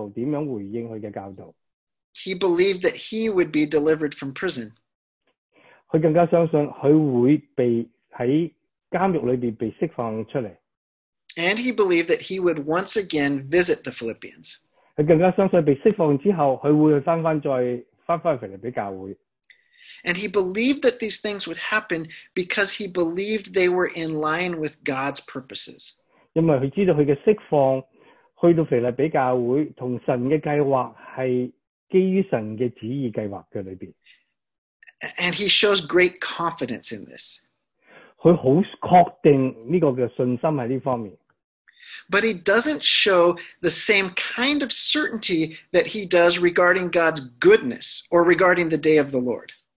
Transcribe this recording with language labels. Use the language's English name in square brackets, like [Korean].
[Chinese] 第二,保罗也更加相信提摩太会告诉保罗知道腓立比教会的信徒怎样回应他的教导。He [English] believed that he would be delivered from prison. [Chinese] 他更加相信他会被在监狱里面被释放出来。 [English] And he believed that he would once again visit the Philippians. [Chinese] 他更加相信被释放之后,他会回到腓立比教会。 [English] And he believed that these things would happen because he believed they were in line with God's purposes. [Chinese] 因为他知道他的释放,去到腓立比教会,同神的计划是基于神的旨意计划的里面。 [English] And he shows great confidence in this. [Chinese] 他很确定这个信心在这方面。 [English] But he doesn't show the same kind of certainty that he does regarding God's goodness or regarding the day of the Lord.